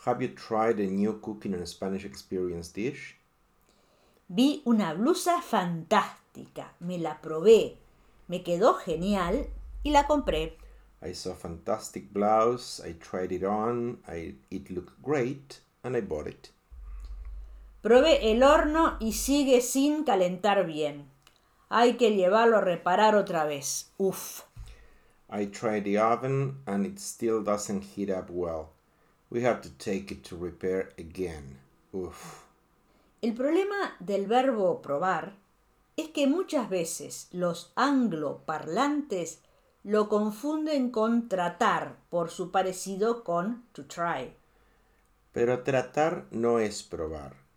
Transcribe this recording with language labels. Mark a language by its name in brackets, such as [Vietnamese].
[English] Have you tried a new cooking and Spanish experience dish? [Spanish] Vi una blusa fantástica, me la probé, me quedó genial y la compré. [English] I saw a fantastic blouse, I tried it on, it looked great, and I bought it. [Spanish] Probé el horno y sigue sin calentar bien. Hay que llevarlo a reparar otra vez. Uf. [English] I tried the oven and it still doesn't heat up well. We have to take it to repair again. Uf. [Spanish] El problema del verbo probar es que muchas veces los angloparlantes lo confunden con tratar por su parecido con to try. Pero tratar no es probar.